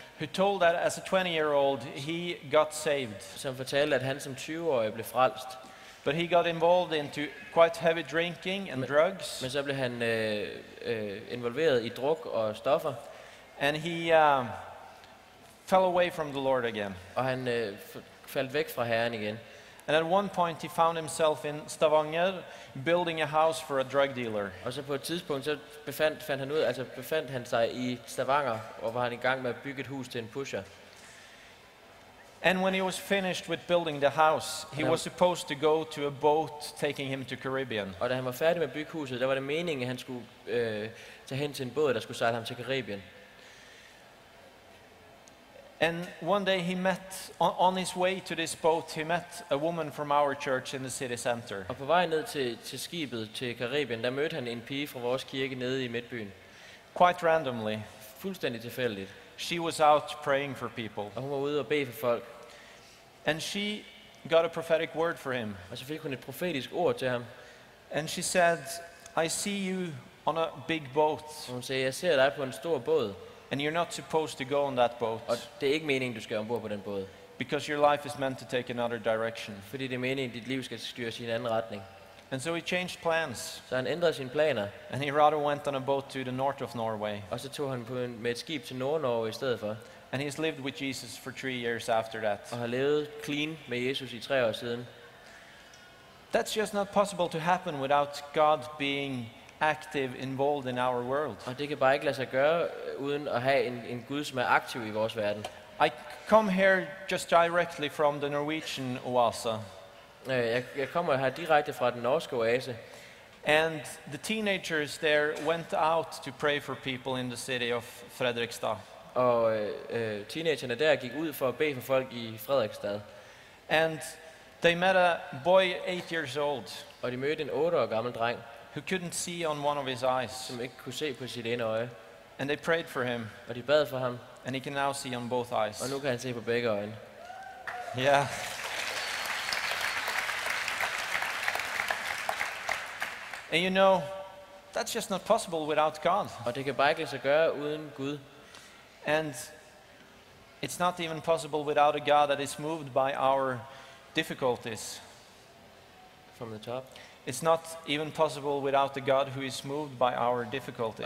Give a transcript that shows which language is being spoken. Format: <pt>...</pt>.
<en>Who told that as a 20-year-old he got saved.</en> <da>Som fortalte at han som 20-årig blev frelst.</da> <en>But he got involved into quite heavy drinking and drugs.</en> <da>Men så blev han involveret i druk og stoffer.</da> <en>And he fell away from the Lord again.</en> <da>Og han faldt væk fra Herren igen.</da> <en>And at one point he found himself in Stavanger building a house for a drug dealer.</en> <da>Og så på et tidspunkt så befandt han sig i Stavanger, og var han i gang med at bygge et hus til en pusher.</da> <en>And when he was finished with building the house, he was supposed to go to a boat taking him to Caribbean.</en> <da>Og da han var færdig med at bygge huset, der var det meningen at han skulle tage hen til en båd der skulle sejle ham til Caribbean.</da> <en>And one day he met on his way to this boat he met a woman from our church in the city center.</en> <da>Og på vej ned til skibet til Karibien, der mødte han en pige fra vores kirke nede i midtbyen.</da> <en>Quite randomly.</en> <da>Fuldstændig tilfældigt.</da> <en>She was out praying for people.</en> <da>Og hun var ude og bede for folk.</da> <en>And she got a prophetic word for him.</en> <da>Og så fik hun et profetisk ord til ham.</da> <en>And she said, I see you on a big boat.</en> <da>Og hun sagde, jeg ser dig på en stor båd.</da> <en>And you're not supposed to go on that boat.</en> <da>Og det er ikke meningen du skal ombord på den båd.</da> <en>Because your life is meant to take another direction.</en> <da>Fordi det er meningen dit liv skal styres i en anden retning.</da> <en>And so he changed plans.</en> <da>Så han ændrede sine planer.</da> <en>And he rather went on a boat to the north of Norway.</en> <da>Og så tog han med et skib til Nord-Norge i stedet for.</da> <en>And he has lived with Jesus for 3 years after that.</en> <da>Og har levet clean med Jesus i 3 år siden.</da> <en>That's just not possible to happen without God being active, involved in our world.</en> <da>Og det kan bare ikke lade sig gøre uden at have en Gud som er aktiv i vores verden.</da> <en>I come here just directly from the Norwegian Oase.</en> <da>Jeg kommer her direkte fra den norske oase.</da> <en>And the teenagers there went out to pray for people in the city of Fredrikstad.</en> <da>Og teenagerne der gik ud for at bede for folk i Fredrikstad.</da> <en>And they met a boy 8 years old.</en> <da>Og de mødte en 8 år gammel dreng.</da> <en>Who couldn't see on one of his eyes.</en> <da>Som ikke kunne se på sit ene øje.</da> <en>And they prayed for him.</en> <da>Og de bad for ham.</da> <en>And he can now see on both eyes.</en> <da>Og nu kan han se på begge øjne. Yeah.</da> <en>And you know, that's just not possible without God.</en> <da>Og det kan bare ikke lade sig gøre uden Gud.</da> <en>And it's not even possible without a God that is moved by our difficulties. From the top. It's not even possible without the God who is moved by our difficulties.</en>